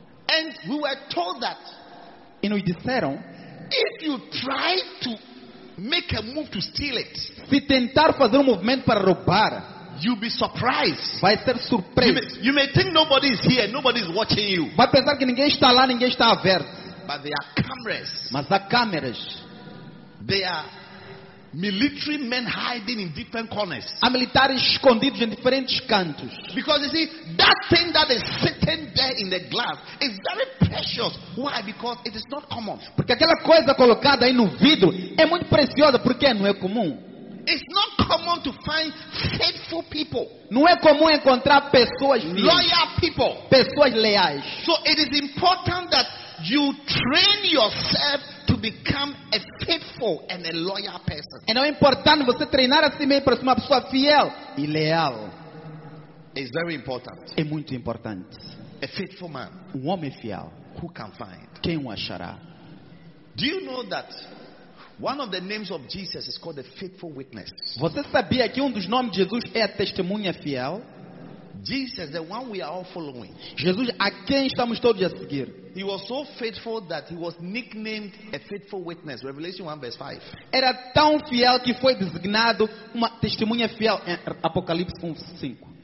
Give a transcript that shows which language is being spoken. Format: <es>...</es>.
<en>And we were told that.</en> <pt>E nos disseram,</pt> <en>if you try to make a move to steal it,</en> <pt>se tentar fazer movimento para roubar,</pt> <en>you'll be surprised.</en> <pt>Vai ser surpreso.</pt> <en>You may think nobody is here, nobody is watching you.</en> <pt>Vai pensar que ninguém está lá, ninguém está a ver.</pt> <en>But there are cameras.</en> <pt>Mas há câmeras.</pt> <en>There are military men hiding in different corners.</en> <pt>Há militares escondidos em diferentes cantos.</pt> <en>Because you see, that thing that is sitting there in the glass is very precious. Why? Because it is not common.</en> <pt>Porque aquela coisa colocada aí no vidro é muito preciosa porque não é comum.</pt> <en>It's not common to find faithful people.</en> <pt>Não é comum encontrar pessoas fiéis.</pt> <en>Loyal people.</en> <pt>Pessoas leais.</pt> <en>So it is important that you train yourself to become a faithful and a loyal person.</en> <pt>É importante você treinar a si mesmo para ser uma pessoa fiel e leal.</pt> <en>It's very important.</en> <pt>É muito importante.</pt> <en>A faithful man.</en> <pt>Um homem fiel.</pt> <en>Who can find?</en> <pt>Quem o achará?</pt> <en>Do you know that one of the names of Jesus is called the faithful witness?</en> <pt>Você sabia que dos nomes de Jesus é a testemunha fiel?</pt> <en>Jesus, the one we are all following.</en> <pt>Jesus, a quem estamos todos a seguir.</pt> <en>He was so faithful that he was nicknamed a faithful witness. Revelation 1 verse 5.</en> <pt>Era tão fiel que foi designado uma testemunha fiel em Apocalipse 1, 5.</pt>